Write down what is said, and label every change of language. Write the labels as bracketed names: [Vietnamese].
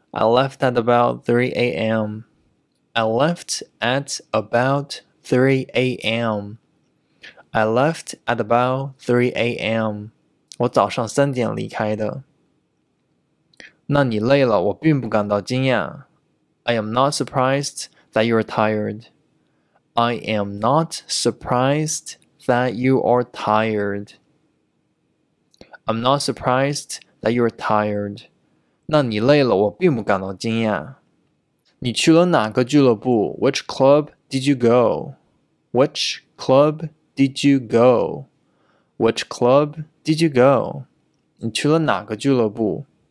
[English] I left at about 3 a.m. I left at about 3 a.m. I left at about 3 a.m. [Chinese] 我早上三点离开的。那你累了，我并不感到惊讶。 [English] I am not surprised that you are tired. I am not surprised that you are tired. I'm not surprised that you are tired. [Chinese] 那你累了，我并不感到惊讶。你去了哪个俱乐部？ [English] Which club did you go? Which club did you go? Which club did you go? [Chinese] 你去了哪个俱乐部？